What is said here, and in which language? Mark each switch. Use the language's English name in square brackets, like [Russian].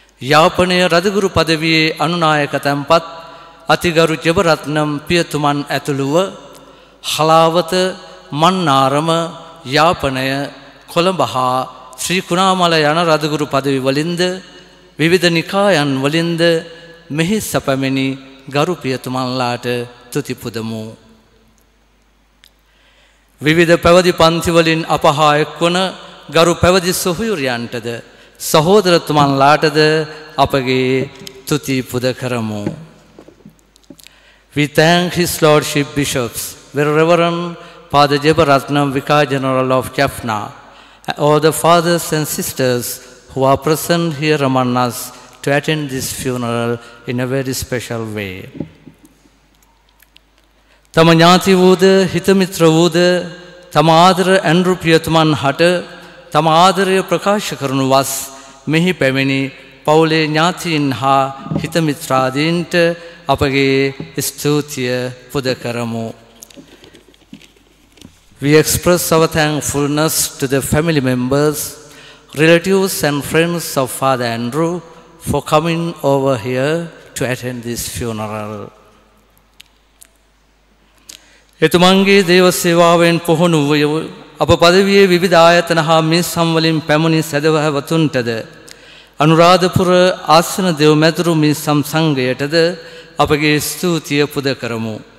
[Sinhala] යාපනය රදගුරු පදවියේ අනුනායක තැම්පත් අතිගරු ජවරත්නම් පියතුමන් ඇතුළුව හලාවත මන්නාරම යාපනය කොළඹ හා ශ්‍රී කුණාමල යන රදගුරු පදවි වලින්ද විවිධ නිකායන් වලින්ද මෙහි සපැමිණි ගරු පියතුමන්ලාට තුතිපුදමු. විවිධ පැවදි පන්තිවලින් අපහා එක්වන ගරු පැවදි සොහුයුරියන්ටද සහෝදරතුමන්ලාටද අපගේ තුතිපුද කරමු. [English] We thank His Lordship Bishops, Reverend Father Jebaratnam Vicar General of Jaffna, all the fathers and sisters who are present here among us to attend this funeral in a very special way. [Sinhala] තම ඥාති වූද හිත මිත්‍ර වූද තම ආදර Andrew පියතුමන් හට තම ආදරය ප්‍රකාශ කරනු වස් මෙහි පැමිණි පවුලේ ඥාතීන් හා හිත මිත්‍රාදීන්ට අපගේ ස්තුතිය පුද කරමු. [English] We express our thankfulness to the family members, relatives and friends of Father Andrew for coming over here to attend this funeral. [Sinhala] එතුමන්ගේ දේව සේවාවෙන් පොහුණු වූ අප පදවියේ විවිධ ආයතන හා මිසම් වලින් පැමිණි සදවහවතුන්ටද අනුරාධපුර ආසන දේව මැදුරු මිසම් සංඝයටද අපගේ ස්තුතිය පුද කරමු.